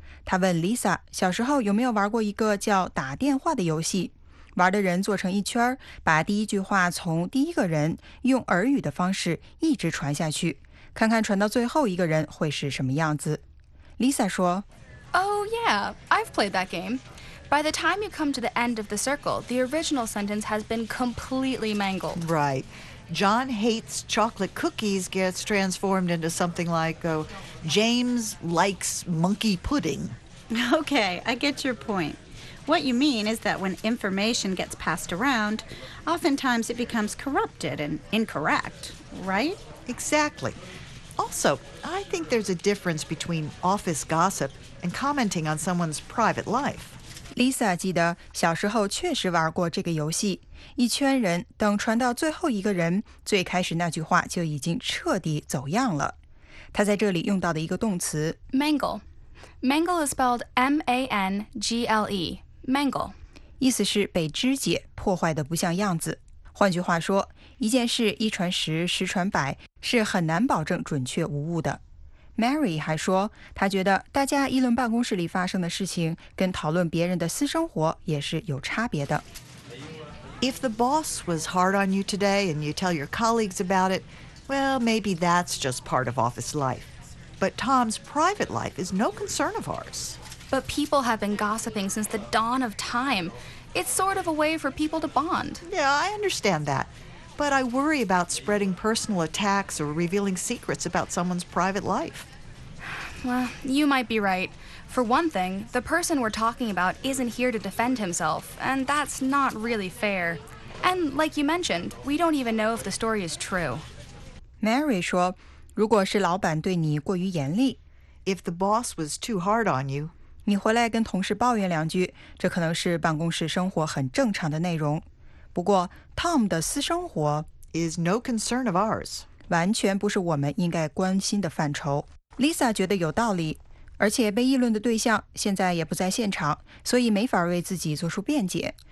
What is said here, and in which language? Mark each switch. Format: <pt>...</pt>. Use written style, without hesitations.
<zh>她问 Lisa 小时候有没有玩过一个叫打电话的游戏，玩的人坐成一圈，把第一句话从第一个人用耳语的方式一直传下去，看看传到最后一个人会是什么样子。 Lisa 说</zh> <en>Oh yeah, I've played that game. By the time you come to the end of the circle, the original sentence has been completely mangled. Right. John hates chocolate cookies gets transformed into something like, oh, James likes monkey pudding. Okay, I get your point. What you mean is that when information gets passed around, oftentimes it becomes corrupted and incorrect, right? Exactly. Also, I think there's a difference between office gossip and commenting on someone's private life.</en> <zh>Lisa 记得小时候确实玩过这个游戏，一圈人等传到最后一个人，最开始那句话就已经彻底走样了。他在这里用到的一个动词</zh> <en>Mangle. Mangle is spelled M-A-N-G-L-E. Mangle.</en> <zh>意思是被肢解，破坏得不像样子。换句话说，一件事一传十，十传百，是很难保证准确无误的。 Mary 还说，她觉得大家议论办公室里发生的事情，跟讨论别人的私生活也是有差别的。</zh> <en>If the boss was hard on you today and you tell your colleagues about it, well, maybe that's just part of office life. But Tom's private life is no concern of ours. But people have been gossiping since the dawn of time. It's sort of a way for people to bond. Yeah, I understand that. But I worry about spreading personal attacks or revealing secrets about someone's private life. Well, you might be right. For one thing, the person we're talking about isn't here to defend himself, and that's not really fair. And like you mentioned, we don't even know if the story is true.</en> <zh>Mary 说，如果是老板对你过于严厉，</zh> <en>If the boss was too hard on you,</en> <zh>你回来跟同事抱怨两句，这可能是办公室生活很正常的内容。不过 Tom 的私生活</zh> <en>is no concern of ours,</en> <zh>完全不是我们应该关心的范畴。Lisa 觉得有道理，而且被议论的对象现在也不在现场，所以没法为自己做出辩解。</zh>